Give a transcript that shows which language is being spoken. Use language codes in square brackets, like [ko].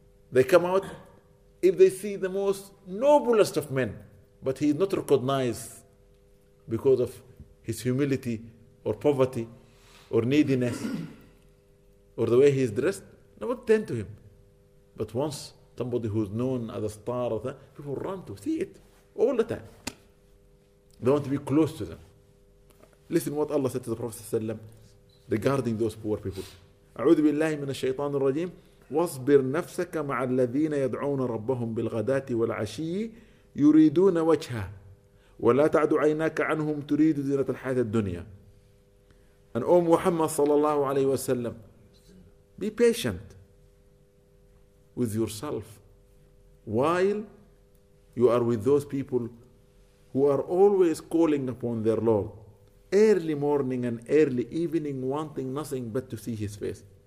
[en] They come out, if they see the most noblest of men, but he is not recognized because of his humility or poverty or neediness or the way he is dressed, nobody tend to him. But once somebody who is known as a star, people run to see it all the time. They want to be close to them. Listen what Allah said to the Prophet regarding those poor people. [ar] أعوذ بالله من الشيطان الرجيم واصبر نفسك مع الذين يدعون ربهم بالغداة والعشي يريدون وجهه ولا تعد عيناك عنهم تريد زينة الحياة الدنيا. [en] And O Muhammad sallallahu alayhi wa sallam, be patient with yourself while you are with those people who are always calling upon their Lord early morning and early evening, wanting nothing but to see his face.